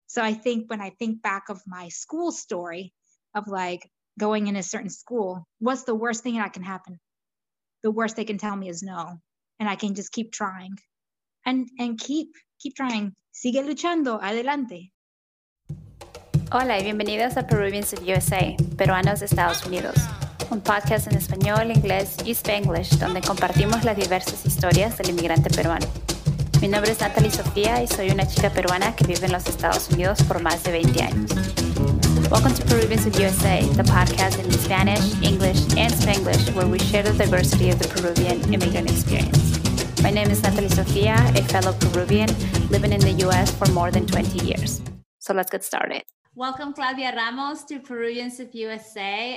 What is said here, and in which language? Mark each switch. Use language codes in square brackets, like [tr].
[en] So I think when I think back of my school story of like going in a certain school, what's the worst thing that can happen? The worst they can tell me is no. And I can just keep trying and keep trying. [es] Sigue luchando. Adelante. Hola y bienvenidos a Peruvians of USA, Peruanos de Estados Unidos. Un podcast en español, inglés y Spanglish donde compartimos las diversas historias del inmigrante peruano. Mi nombre es Natalie Sofía y soy una chica peruana que vive en los Estados Unidos por más de 20 años. [en] Welcome to Peruvians of USA, the podcast in Spanish, English, and Spanglish, where we share the diversity of the Peruvian immigrant experience. My name is Natalie Sofía, a fellow Peruvian living in the U.S. for more than 20 years. So let's get started. Welcome, Claudia Ramos, to Peruvians of USA.